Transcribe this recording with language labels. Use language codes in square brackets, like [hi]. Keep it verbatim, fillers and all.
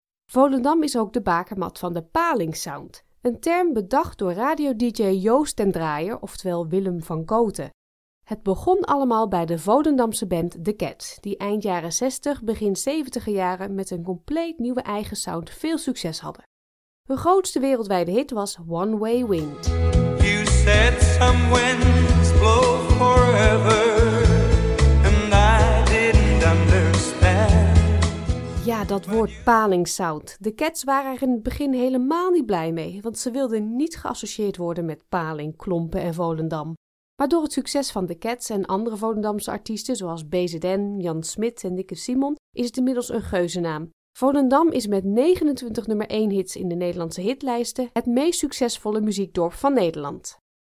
[nl] Volendam is ook de bakermat van de Palingsound, een term bedacht door radio-dj Joost ten Draaier, oftewel Willem van Kooten. Het begon allemaal bij de Volendamse band The Cat, die eind jaren zestig, begin zeventiger jaren met een compleet nieuwe eigen sound veel succes hadden. Hun grootste wereldwijde hit was One Way Wind. [en] You said some winds blow forever, and I didn't understand. [nl] Ja, dat woord palingsound. De Cats waren er in het begin helemaal niet blij mee, want ze wilden niet geassocieerd worden met Paling, Klompen en Volendam. Maar door het succes van de Cats en andere Volendamse artiesten zoals B Z N, Jan Smit en Dikke Simon is het inmiddels een geuzennaam. Volendam is met negenentwintig nummer één hits in de Nederlandse hitlijsten het meest succesvolle muziekdorp van Nederland.